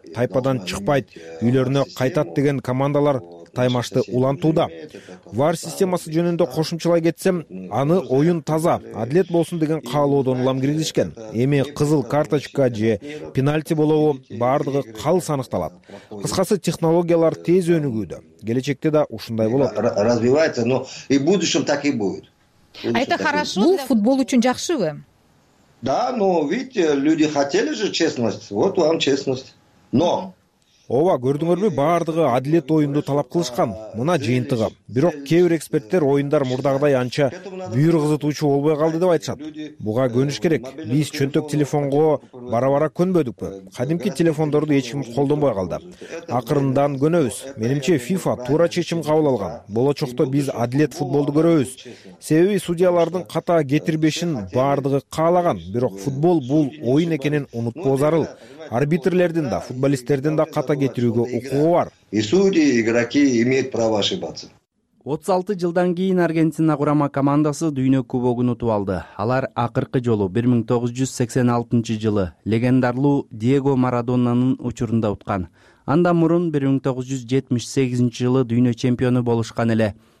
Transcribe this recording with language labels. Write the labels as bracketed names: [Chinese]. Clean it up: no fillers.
[Kyrgyz] Тайпадан чыкпайт, үйлөрүнө кайтат деген командалар таймашты улантууда. VAR системасы жөнүндө кошумчалай кетсем, аны оюн таза, адилет болсун деген каалоодон улам киргизишкен. Эми кызыл карточка же пенальти болобу баардыгы калыс аныкталат. Кыскасы, технологиялар тез өнүгүүдө. Келечекте да ушундай болот. [Russian] Развивается, но и в будущем так и будет. А это хорошо? [Kyrgyz] Бул футбол үчүн жакшыбы? [Russian] Да, но видите, люди хотели же честность. Вот вам честность. Но [Kyrgyz] ооба, көрдүңөрбү, баардыгы адилет оюнду талап кылышкан. Мына жыйынтыгы. Бирок кээ бир эксперттер оюндар мурдагыдай анча бүйүр кызытуучу болбой калды деп айтышат. Буга көнүш керек. Биз чөнтөк телефонго бара-бара көнбөдүкпү? Кадимки телефондорду эч ким колдонбой калды. Акырындан көнөбүз. Менимче FIFA туура чечим кабыл алган. Болочокто биз адилет футболду көрөбүз. Себеби судьялардын ката кетирбешин баардыгы каалаган. Бирок футбол бул оюн экенин унутпоо зарыл. Арбитрлердин да, футболисттердин да ката кетирүүгө укугу бар. [Russian] И судьи, и игроки имеют право ошибаться. [Kyrgyz] 36 жылдан кийин Аргентина курама командасы дүйнө кубогун утуп алды. Алар акыркы жолу 1986 жылы легендарлуу Диего Марадонанын учурунда уткан. Андан мурун 1978 жылы дүйнө чемпиону болушкан эле.